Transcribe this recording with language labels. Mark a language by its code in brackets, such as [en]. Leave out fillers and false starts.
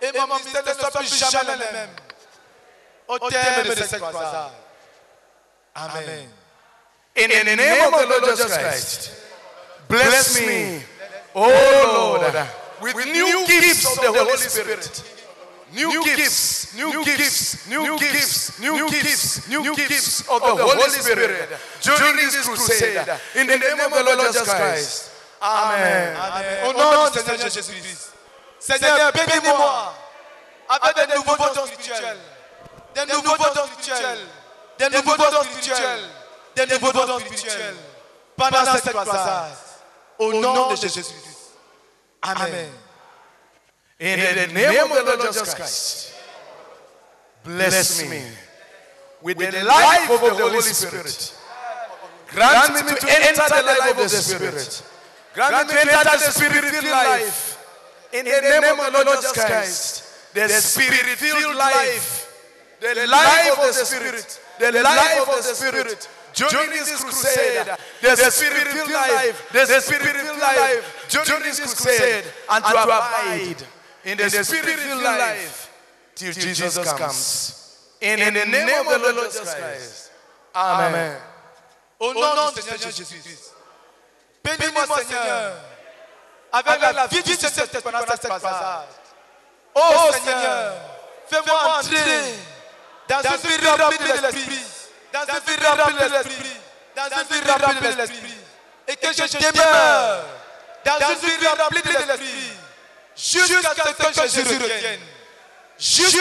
[fr] Et que ma vie et mon ministère ne soient plus jamais les mêmes. Au terme de cette croisade. Amen. [en] In the name of the Lord Jesus Christ, bless me, O Lord, with new gifts of the Holy Spirit during this crusade. In the name of the Lord Jesus Christ. Amen. [fr] Au nom du Seigneur Seigneur Jésus-Christ. Seigneur, bénis-moi avec des nouveaux dons spirituels. Des nouveaux dons spirituels. Des nouveaux dons spirituels. Des nouveaux dons spirituels. Pendant cette croisade. Au nom de Jésus-Christ. Amen. [en] In the name of the Lord Jesus Christ, bless me with the life of the Holy Spirit. Grant me to enter the life of the Spirit. Grant me to enter the Spirit-filled life. In the name of the Lord Jesus Christ, the Spirit-filled life, the life of the Spirit, the life of the Spirit. During this crusade, the Spirit-filled life, the Spirit-filled life. During this crusade, and to abide in the Spirit-filled life till Jesus comes. In the name of the Lord Jesus Christ. Amen. [fr] Au nom du Seigneur Jésus-Christ, bénis-moi, Seigneur, avec la vie du Saint-Esprit pendant cette croisade. Oh Seigneur, fais-moi entrer dans une vie remplie de l'Esprit, dans une vie remplie de l'Esprit, dans une vie remplie de l'Esprit, et que je demeure dans une vie remplie de l'Esprit jusqu'à ce que Jésus revienne.